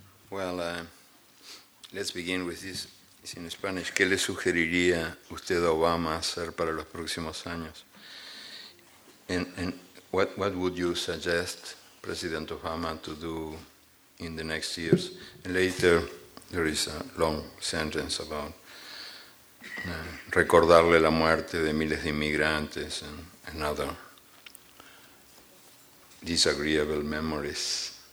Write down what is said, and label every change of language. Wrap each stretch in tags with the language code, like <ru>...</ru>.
<en>Well, let's begin with this. It's in Spanish.</en> <es>¿Qué le sugeriría usted a Obama hacer para los próximos años?</es> <en>And what would you suggest President Obama to do in the next years? And later, there is a long sentence about</en> <es>recordarle la muerte de miles de inmigrantes</es> <en>and other disagreeable memories.</en>